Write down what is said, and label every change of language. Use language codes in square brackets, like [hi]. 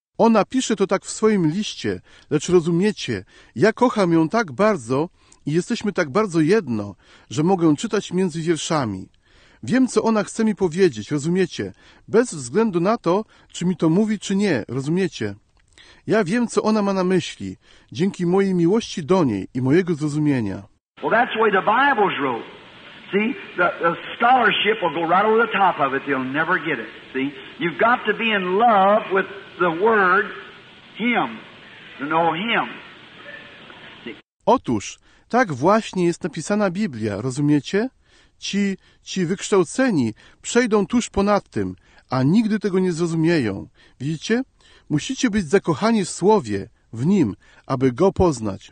[pl] Ona pisze to tak w swoim liście, lecz rozumiecie, ja kocham ją tak bardzo i jesteśmy tak bardzo jedno, że mogę czytać między wierszami. Wiem, co ona chce mi powiedzieć, rozumiecie? Bez względu na to, czy mi to mówi, czy nie, rozumiecie? Ja wiem, co ona ma na myśli, dzięki mojej miłości do niej i mojego zrozumienia. [en] Well, that's the way the Bible's wrote. See, the scholarship will go right over the top of it. They'll never get it. See, you've got to be in love with the word, him, to know him. See? [pl] Otóż, tak właśnie jest napisana Biblia, rozumiecie? Ci wykształceni przejdą tuż ponad tym, a nigdy tego nie zrozumieją. Widzicie? Musicie być zakochani w Słowie, w Nim, aby Go poznać.